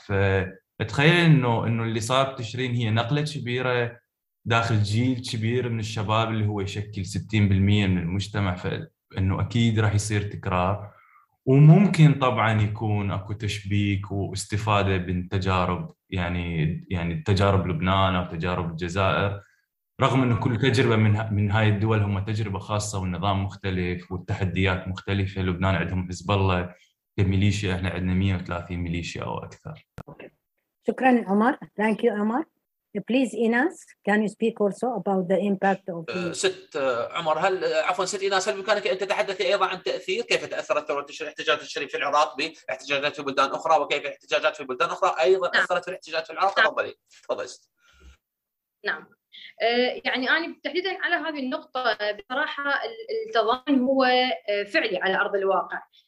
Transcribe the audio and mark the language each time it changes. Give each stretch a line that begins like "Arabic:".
Arabic: فتخيل إنه اللي صار بتشرين هي نقلة كبيرة داخل جيل كبير من الشباب اللي هو يشكل 60% من المجتمع، فإنه أكيد راح يصير تكرار، وممكن طبعاً يكون أكو تشبيك واستفادة من تجارب، يعني تجارب لبنان أو تجارب الجزائر، رغم أنه كل تجربة من هاي الدول هم تجربة خاصة والنظام مختلف والتحديات مختلفة. لبنان عندهم حزب الله كميليشيا، إحنا عندنا 130 ميليشيا أو أكثر. شكراً عمر.
English: Thank you
Arabic: عمر.
English: Please Inas, can you speak also about the impact of the...
Arabic: ست عمر، هل عفوا ست إناس، هل بإمكانك أن تتحدثي أيضا عن تأثير، كيف تأثرت ثورة الاحتجاج الشريف في العراق باحتجاجات في بلدان أخرى، وكيف الاحتجاجات في بلدان أخرى أيضا أثرت في الاحتجاج في العراق؟ تفضلي. نعم، يعني أنا تحديدا على هذه النقطة بصراحة التضامن هو فعلي على أرض الواقع.